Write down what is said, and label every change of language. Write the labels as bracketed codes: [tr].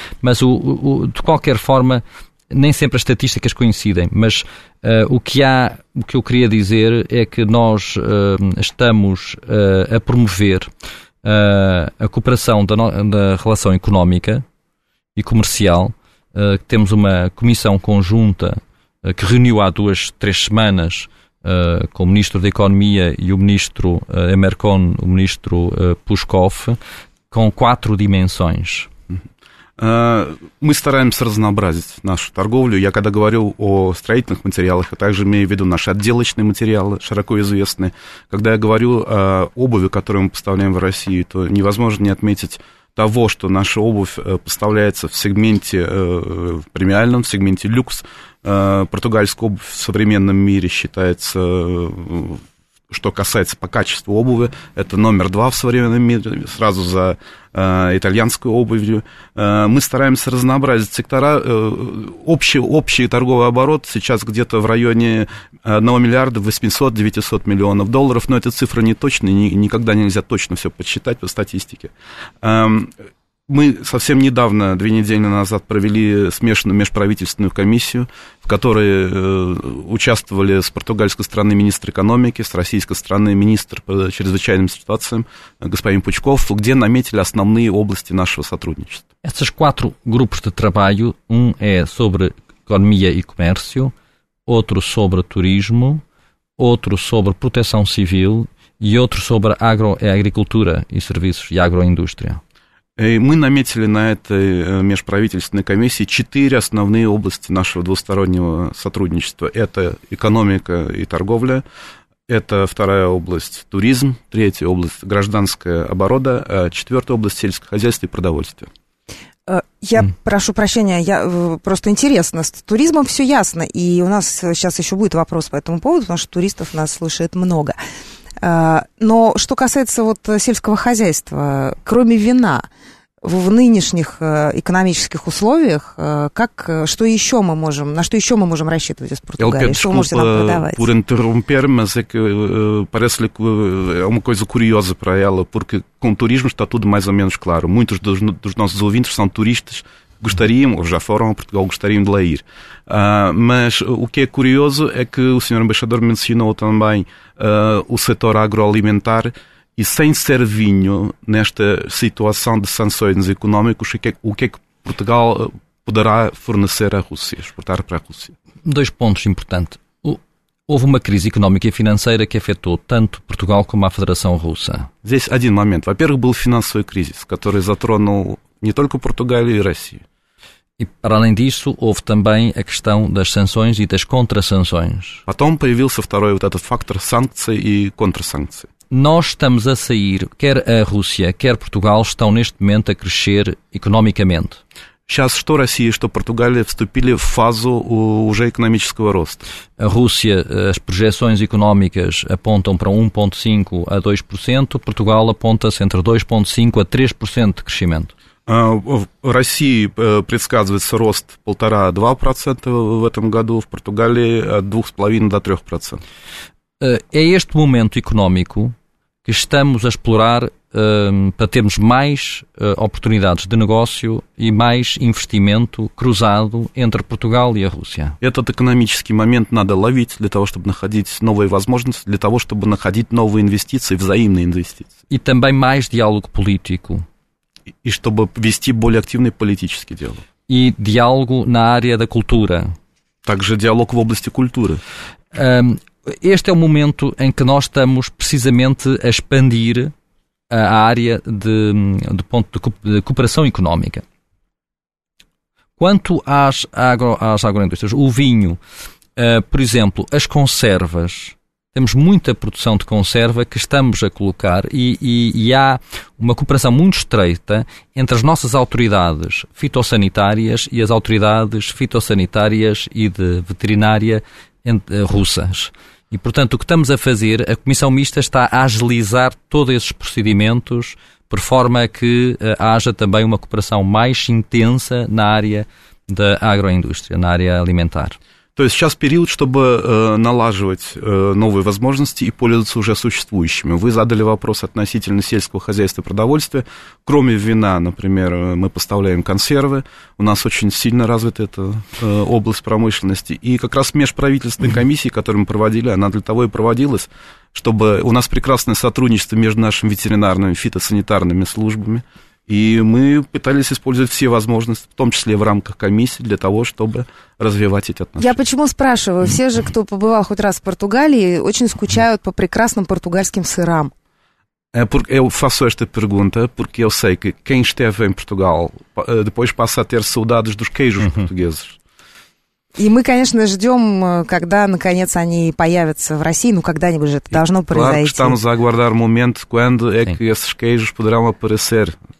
[pt] Mas de qualquer forma, nem sempre as estatísticas coincidem, mas o que eu queria dizer é que nós estamos a promover a cooperação da relação económica e comercial. Temos uma comissão conjunta que reuniu há 2-3 semanas com o Ministro da Economia e o Ministro Emercon, o Ministro Pushkov, com 4 dimensões. [ru] Мы стараемся разнообразить нашу торговлю. Я когда говорю о строительных материалах, я также имею в виду наши отделочные материалы, широко известные. Когда я говорю о обуви, которую мы поставляем в Россию, то невозможно не отметить того, что наша обувь поставляется в сегменте премиальном, в сегменте люкс. Португальская обувь в современном мире считается что касается по качеству обуви, это номер два в современном мире, сразу за итальянской обувью. Мы стараемся разнообразить сектора. Общий торговый оборот сейчас где-то в районе 1 миллиарда 800-900 миллионов долларов, но эта цифра не точная, никогда нельзя точно все подсчитать по статистике. Мы совсем недавно, 2 недели назад, провели смешанную межправительственную комиссию, в которой участвовали с португальской стороны министр экономики, с российской стороны министр по чрезвычайным ситуациям господин Пучков, где наметили основные области нашего сотрудничества. [pt] Essas quatro grupos de trabalho, um é sobre economia e comércio, outro sobre turismo, outro sobre proteção civil e outro sobre agricultura e serviços e agroindústria. [ru] И мы наметили на этой межправительственной комиссии 4 основные области нашего двустороннего сотрудничества. Это экономика и торговля, это вторая область – туризм, третья область – гражданское оборота, а четвертая область – сельское хозяйство и продовольствие. Я прошу прощения, я просто интересно, с туризмом все ясно, и у нас сейчас еще будет вопрос по этому поводу, потому что туристов нас слушает много. Но что касается вот сельского хозяйства, кроме вина, в нынешних экономических условиях, как, что еще мы можем, на что еще мы можем рассчитывать из Португалии? Что вы можете нам продавать? [pt] Por interromper, mas é que parece que é uma coisa curiosa para ela, porque com o turismo está tudo mais ou menos claro. Muitos dos nossos ouvintes são turistas, gostariam, ou já foram a Portugal, gostariam de lá ir. Mas o que é curioso é que o senhor embaixador mencionou também o setor agroalimentar e sem ser vinho, nesta situação de sanções económicas, o que é que Portugal poderá fornecer à Rússia, exportar para a Rússia? Dois pontos importantes. Houve uma crise económica e financeira que afetou tanto Portugal como a Federação Russa. [ru] Здесь один момент. Во-первых, был финансовый кризис, который затронул не только Португалию и Россию. [pt] E para além disso, houve também a questão das sanções e das contra-sanções. [ru] Потом появился второй вот этот фактор санкций и контрсанкций. [pt] Nós estamos a sair, quer a Rússia, quer Portugal, estão neste momento a crescer economicamente. [ru] Сейчас что Россия, что Португалия вступили в фазу уже экономического роста. [pt] A Rússia, as projeções económicas apontam para 1,5% a 2%, Portugal aponta-se entre 2,5% a 3% de crescimento. [ru] В России предсказывается рост 1,5-2% в этом году, в Португалии от 2,5-3%. [pt] É este momento económico que estamos a explorar para termos mais oportunidades de negócio e mais investimento cruzado entre Portugal e a Rússia. [ru] Этот экономический момент надо ловить для того, чтобы находить новые возможности, для того, чтобы находить новые инвестиции, взаимные инвестиции. [pt] E também mais diálogo político. [ru] И чтобы вести более активный политический диалог. И диалог на [pt] área da cultura. [ru] Также диалог в области культуры. [pt] Este é o momento em que nós estamos precisamente a expandir a área de ponto de cooperação económica. Quanto às agroindústrias, o vinho, por exemplo, as conservas, temos muita produção de conserva que estamos a colocar e há uma cooperação muito estreita entre as nossas autoridades fitossanitárias e as autoridades fitossanitárias e de veterinária russas. E, portanto, o que estamos a fazer, a Comissão Mista está a agilizar todos esses procedimentos por forma que haja também uma cooperação mais intensa na área da agroindústria, na área alimentar. [ru] То есть сейчас период, чтобы налаживать новые возможности и пользоваться уже существующими. Вы задали вопрос относительно сельского хозяйства и продовольствия. Кроме вина, например, мы поставляем консервы. У нас очень сильно развита эта область промышленности. И как раз межправительственная комиссия, которую мы проводили, она для того и проводилась, чтобы у нас прекрасное сотрудничество между нашими ветеринарными фитосанитарными службами. И мы пытались использовать все возможности, в том числе в рамках комиссии, для того, чтобы развивать эти отношения. Я почему спрашиваю? Все же, кто побывал хоть раз в Португалии, очень скучают по прекрасным португальским сырам. [pt] Eu faço esta pergunta porque eu sei que quem esteve em Portugal depois passa a ter saudades dos queijos portugueses. [ru] И мы, конечно, ждем, когда, наконец, они появятся в России, ну, когда-нибудь же это должно произойти. [pt] Claro que estamos a aguardar [ru] момент, [pt] quando é que esses queijos poderão aparecer.